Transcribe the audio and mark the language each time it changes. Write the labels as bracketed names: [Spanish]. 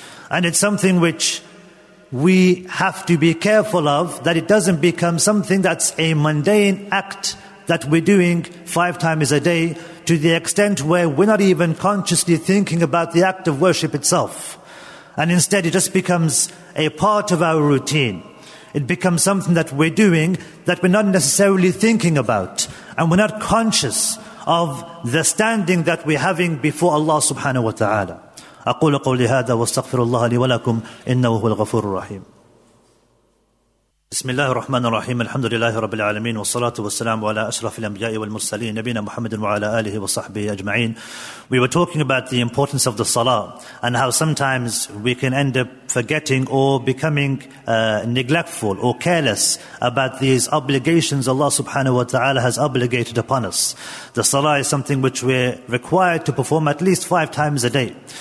[English] And it's something which we have to be careful of, that it doesn't become something that's a mundane act that we're doing 5 times a day to the extent where we're not even consciously thinking about the act of worship itself. And instead it just becomes a part of our routine. It becomes something that we're doing that we're not necessarily thinking about. And we're not conscious of the standing that we're having before Allah subhanahu wa ta'ala. [Arabic] أقول قولي هذا واستغفر الله لي ولكم إنه هو الغفور الرحيم. بسم الله الرحمن الرحيم الحمد لله رب العالمين والصلاة والسلام على أشرف الأنبياء والمرسلين نبينا محمد وعلى آله وصحبه أجمعين. [English] We were talking about the importance of the salah and how sometimes we can end up forgetting or becoming neglectful or careless about these obligations Allah subhanahu wa ta'ala has obligated upon us. The salah is something which we're required to perform at least 5 times a day.